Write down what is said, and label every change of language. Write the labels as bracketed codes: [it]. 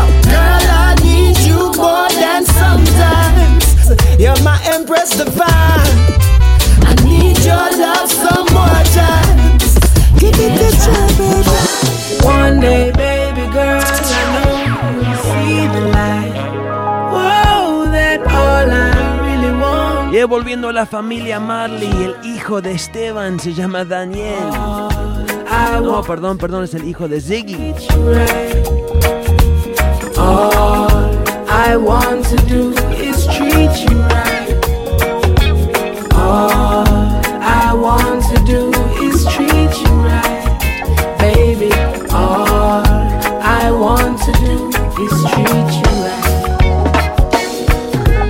[en] Girl, I need you more than sometimes. You're my empress divine. I need your love some more times. Give it a try, baby. One day, baby girl, I know you'll see the light. Oh, that all I. [es] Yeah, volviendo a la familia Marley, el hijo de Esteban se llama Daniel. No, perdón, perdón, es el hijo de Ziggy. [en] All I want to do is treat you right. All I want to do is treat you right. Baby, all I want to do is treat you right.